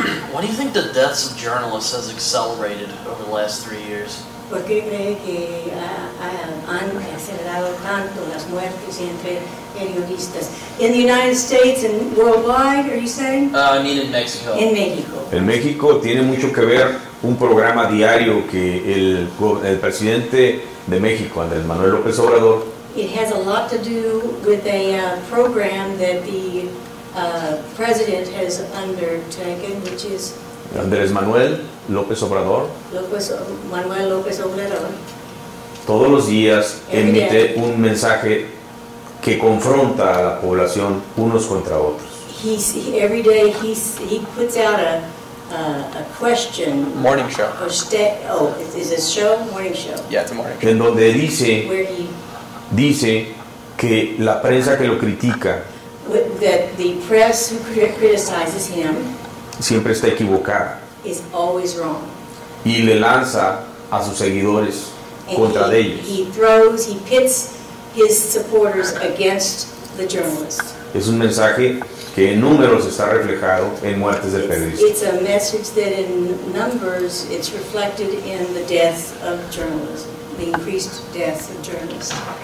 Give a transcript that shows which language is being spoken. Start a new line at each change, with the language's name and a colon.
English: What do you think the deaths of journalists has accelerated over the last 3 years?
Spanish: ¿Por qué cree que han acelerado tanto las muertes entre periodistas?
English: In the United States and worldwide, are you saying? In Mexico. In Mexico.
Spanish: En México tiene mucho que ver un programa diario que el presidente de México, Andrés Manuel López Obrador.
English: It has a lot to do with a program that the president has undertaken, which is Andrés Manuel López Obrador. Manuel López Obrador.
Spanish: Todos los días emite un mensaje que confronta a la población unos contra otros.
English: Every day he puts out a question. Morning show. Is it a show? Morning show. Yeah, it's a morning show.
Spanish: En donde dice. Dice que la prensa que lo critica
English: the press who criticizes him
Spanish: siempre está equivocada
English: is always wrong.
Spanish: Y le lanza a sus seguidores
English: and
Spanish: contra
English: he,
Spanish: de ellos.
English: He pits his supporters against the journalists.
Spanish: Es un mensaje que en números está reflejado en muertes de periodistas.
English: It's a message that in numbers it's reflected in the deaths of journalists, the increased deaths of journalists.